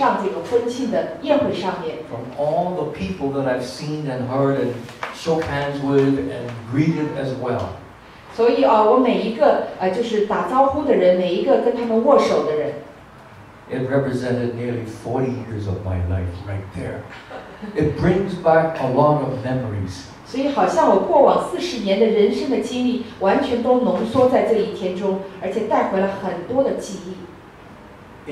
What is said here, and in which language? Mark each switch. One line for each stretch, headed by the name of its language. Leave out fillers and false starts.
Chinese: 所以昨天早上在教会的婚礼的这个典礼上面，还有晚上这个婚庆的宴会上面。
English: From all the people that I've seen and heard and shook hands with and greeted as well.
Chinese: 所以, 我每一个, 就是打招呼的人, 每一个跟他们握手的人。
English: It represented nearly 40 years of my life right there. It brings back a lot of memories.
Chinese: 所以好像我过往40年的人生的经历完全都浓缩在这一天中，而且带回了很多的记忆。